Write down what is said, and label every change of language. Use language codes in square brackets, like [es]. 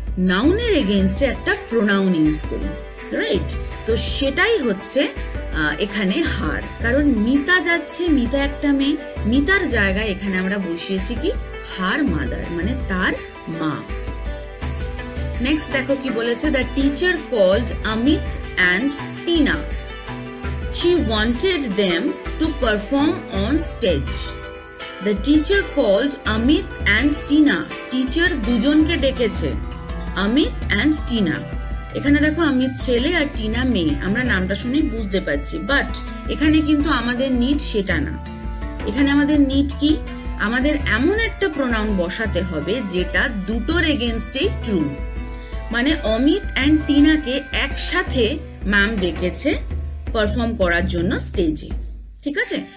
[bn] নাউনের এগেইনস্টে একটা pronoun use করি রাইট তো সেটাই হচ্ছে এখানে হার কারণ মিতা যাচ্ছে মিতা একটা মেয়ে মিতার জায়গায় এখানে আমরা বসিয়েছি কি হার মাদার মানে তার মা নেক্সট দেখো কি বলেছে [en] The teacher called Amit and Tina she wanted them to perform on stage The teacher called Amit and Tina. [bn] Teacher দুজনকে ডেকেছে. Amit and Tina. এখানে দেখো অমিত ছেলে আর টিনা মেয়ে, আমরা নামটা শুনেই বুঝতে পারছি, বাট এখানে কিন্তু আমাদের নিড সেটা না। এখানে আমাদের নিড কি, আমাদের এমন একটা প্রোনাউন বসাতে হবে যেটা দুটোর এগেইনস্টে ট্রু, মানে অমিত এন্ড টিনাকে একসাথে ম্যাম ডেকেছে পারফর্ম করার জন্য স্টেজে, ঠিক আছে?